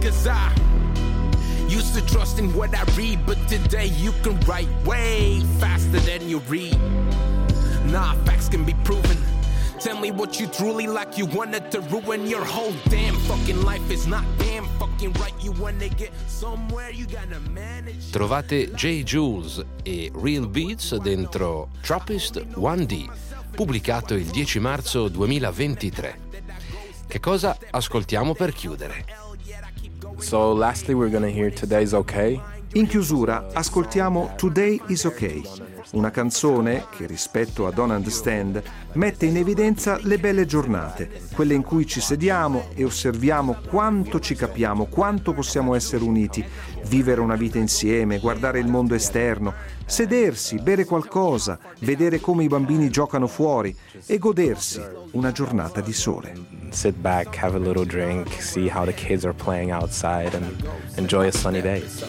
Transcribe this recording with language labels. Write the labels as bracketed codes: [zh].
[en] Cause I used to trust in what I read, but today you can write way faster than you read. Nah, facts can be proven. Tell me what you truly like, you wanted to ruin your whole damn fucking life. It's not damn fucking right, you wanna get somewhere, you gotta manage. [it] Trovate Jay Jules e Real Beats dentro Trappist 1D, pubblicato il 10 marzo 2023. Che cosa ascoltiamo per chiudere? [en] So lastly we're gonna hear Today's Okay. [it] In chiusura ascoltiamo Today is Okay, una canzone che rispetto a Don't Understand mette in evidenza le belle giornate, quelle in cui ci sediamo e osserviamo quanto ci capiamo, quanto possiamo essere uniti, vivere una vita insieme, guardare il mondo esterno, sedersi, bere qualcosa, vedere come i bambini giocano fuori e godersi una giornata di sole. [en] Sit back, have a little drink, see how the kids are playing outside and enjoy a sunny day.